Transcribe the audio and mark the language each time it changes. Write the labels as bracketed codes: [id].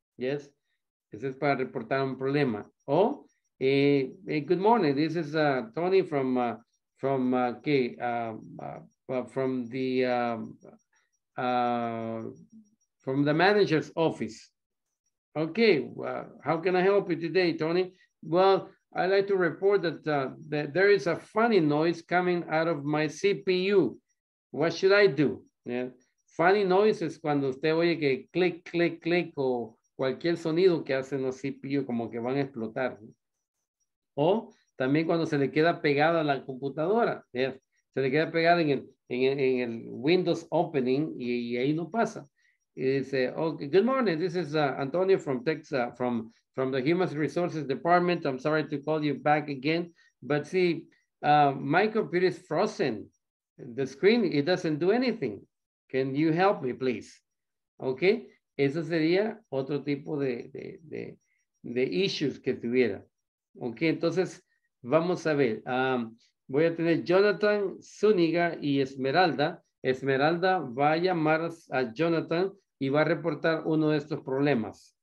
[en] Yes, this is [es] para reportar un problema. [en] Oh, hey, good morning, this is Tony from the manager's office. Okay, how can I help you today, Tony? Well, I'd like to report that, that there is a funny noise coming out of my CPU. What should I do? Yeah. Funny noise is [es] cuando usted oye que click, click, click, o cualquier sonido que hacen los CPU, como que van a explotar. O también cuando se le queda pegada a la computadora. Yeah. Se le queda pegada en el Windows opening y ahí no pasa. [en] Dice, okay, good morning, this is Antonio from Texas, from the Human Resources Department. I'm sorry to call you back again, but see, my computer is frozen. The screen, it doesn't do anything. Can you help me, please? [es] Okay, eso sería otro tipo de issues que tuviera. Okay, entonces, vamos a ver. Voy a tener Jonathan, Zúñiga y Esmeralda. Esmeralda va a llamar a Jonathan y va a reportar uno de estos problemas.